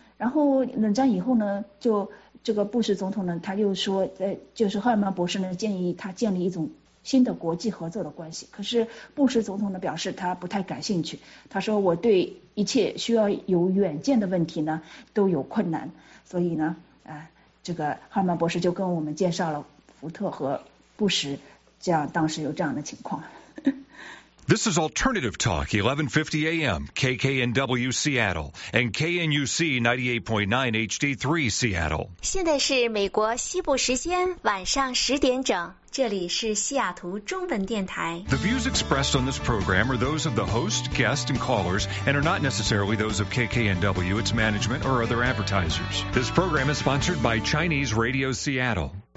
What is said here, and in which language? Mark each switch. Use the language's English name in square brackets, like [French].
[Chinese] 然后冷战以后呢，就这个布什总统呢，他又说，就是赫尔曼博士呢建议他建立一种新的国际合作的关系，可是布什总统呢表示他不太感兴趣，他说我对一切需要有远见的问题呢都有困难。所以呢这个赫尔曼博士就跟我们介绍了福特和布什，这样当时有这样的情况。 [English] This is Alternative Talk, 1150 AM, KKNW Seattle, and KNUC 98.9 HD3 Seattle. [Chinese] 现在是美国西部时间晚上10点整，这里是西雅图中文电台。 [English] The views expressed on this program are those of the host, guest, and callers, and are not necessarily those of KKNW, its management, or other advertisers. This program is sponsored by Chinese Radio Seattle.